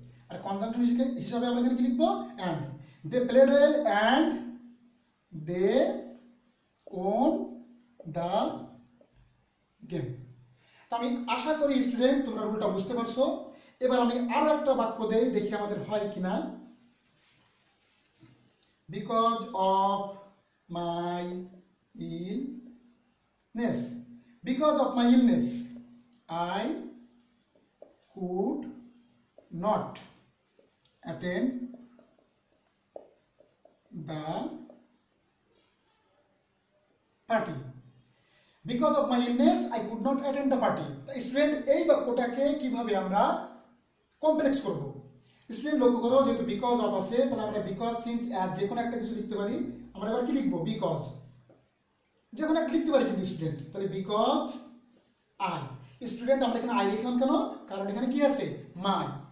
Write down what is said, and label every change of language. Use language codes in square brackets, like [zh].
[bn] আর conjunction হিসাবে আমরা এখানে কি লিখব [en] and they played well and they won the game. [bn] তো আমি আশা করি স্টুডেন্ট তোমরা রুলটা বুঝতে পারছো। এবার আমি আরো একটা বাক্য দেই দেখি আমাদের হয় কিনা। [en] Because of my illness, because of my illness, I could not attend the party. Because of my illness, I could not attend the party. [bn] The student, এই বাক্যটাকে কিভাবে আমরা কমপ্লেক্স করব? স্টুডেন্ট লক্ষ্য করো যেহেতু বিকজ অফ আছে তাহলে আমরা বিকজ সিন্স অ্যাজ যে কোনো একটা কিছু লিখতে পারি। আমরা এবার কি লিখব? বিকজ যে কোনো একটা লিখতে পারি কিন্তু স্টুডেন্ট, তাহলে বিকজ আই স্টুডেন্ট আমরা এখানে আই লিখলাম কেন? কারণ এখানে কি আছে? মাই।